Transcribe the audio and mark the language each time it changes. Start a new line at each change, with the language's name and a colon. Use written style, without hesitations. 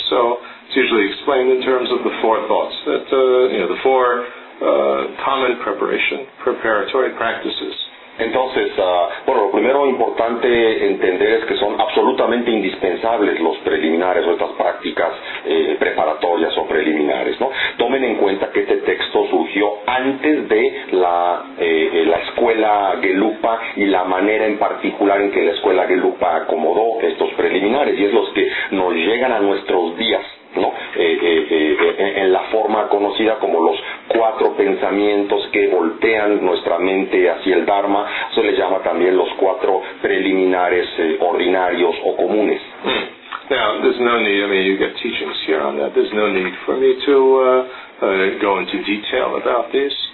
English: So it's usually explained in terms of the four thoughts, that you know, the four common preparatory practices.
Spanish: Entonces, bueno, lo primero importante entender es que son absolutamente indispensables los preliminares o estas prácticas preparatorias o preliminares, ¿no? Tomen en cuenta que este texto surgió antes de la escuela Gelupa y la manera en particular en que la escuela Gelupa acomodó estos preliminares, y es los que nos llegan a nuestros días, ¿no? En la forma conocida como los cuatro pensamientos que voltean nuestra mente hacia el Dharma, se les llama también los cuatro preliminares ordinarios o comunes.
English: Now, there's no need, I mean, you get teachings here on that, there's no need for me to go into detail about this.